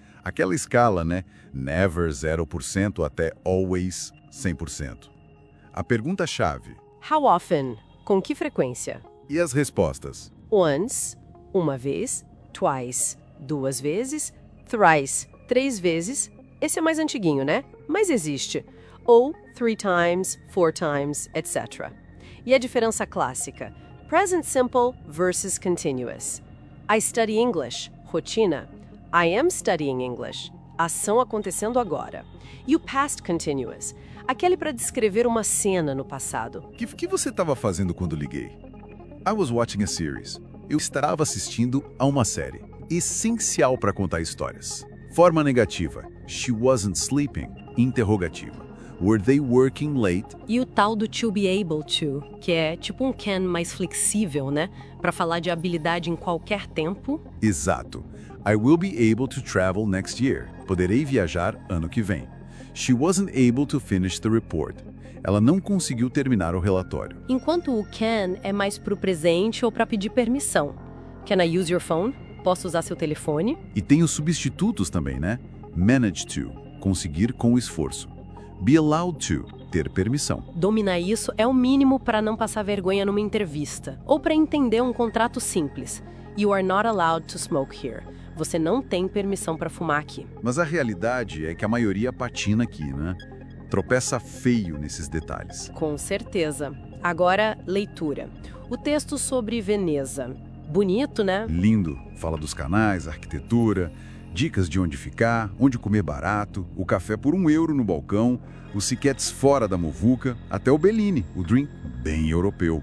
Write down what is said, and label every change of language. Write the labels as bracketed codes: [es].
[pt] Aquela escala, né? [en] Never 0% [pt] até [en] always 100%. [pt] A pergunta-chave. [en] How often? [pt] Com que frequência? E as respostas? Once, uma vez, twice, duas vezes, thrice, três vezes. Esse é mais antiguinho, né? Mas existe. [en] Ou three times, four times, etc. [pt] E a diferença clássica? Present simple versus continuous. [en] I study English. Rotina. I am studying English. [pt] Ação acontecendo agora. E o past continuous. Aquele para descrever uma cena no passado. O que você estava fazendo quando liguei? [en] I was watching a series. [pt] Eu estava assistindo a uma série. Essencial para contar histórias. Forma negativa. [en] She wasn't sleeping. Interrogativa. Were they working late? [pt] E o tal do to be able to, que é tipo um can mais flexível, né? Para falar de habilidade em qualquer tempo. Exato. [en] I will be able to travel next year. [pt] Poderei viajar ano que vem. [en] She wasn't able to finish the report. [pt] Ela não conseguiu terminar o relatório. Enquanto o can é mais para o presente ou para pedir permissão. [en] Can I use your phone? [pt] Posso usar seu telefone? E tem os substitutos também, né? [en] Manage to. [pt] Conseguir com esforço. [en] Be allowed to. [pt] Ter permissão. Dominar isso é o mínimo para não passar vergonha numa entrevista. Ou para entender um contrato simples. [en] You are not allowed to smoke here. [pt] Você não tem permissão para fumar aqui. Mas a realidade é que a maioria patina aqui, né? Tropeça feio nesses detalhes. Com certeza. Agora, leitura. O texto sobre Veneza. Bonito, né? Lindo. Fala dos canais, arquitetura, dicas de onde ficar, onde comer barato, o café por um euro no balcão, os siquetes fora da muvuca, até o Bellini, o drink bem europeu.